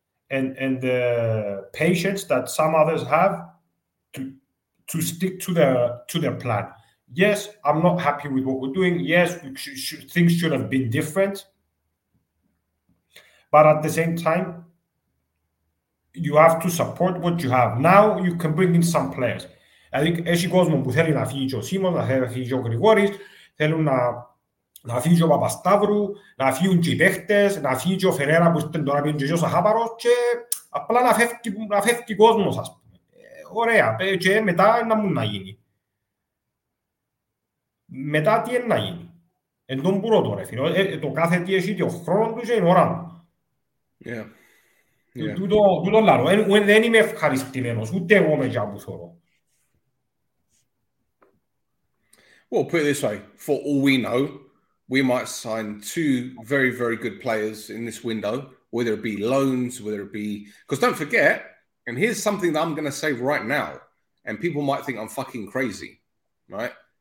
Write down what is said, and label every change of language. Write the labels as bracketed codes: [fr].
[en] and the patience that some others have to stick to their plan. Yes, I'm not happy with what we're doing. Yes, we things should have been different. But at the same time, you have to support what you have. Now you can bring in some players. I think [el] έχει κόσμο που θέλει να φύγει ο Σίμονς, να φύγει ο Γρηγόρης, θέλουν να φύγει ο Παπασταύρου, να φύγουν και οι παίχτες, να φύγει ο Φερέρα που ήταν τώρα πήγαινε και ο Σαχάπαρος και απλά να φεύγει ο κόσμος, ας πούμε. Ωραία. Και μετά να μου να γίνει. Μετά τι είναι να γίνει. Εν τον πουρώ τώρα. Το κάθε τι έχει και ο χρόνος του και είναι ώρα μου. Τούτο λάρω. Δεν είμαι ευχαριστημένος. Ούτε εγώ με τζάμπου θωρώ. [en] Well, put it this way, for all we know, we might sign two very, very good players in this window, whether it be loans, whether it be... Because don't forget, and here's something that I'm going to say right now, and people might think I'm fucking crazy, right?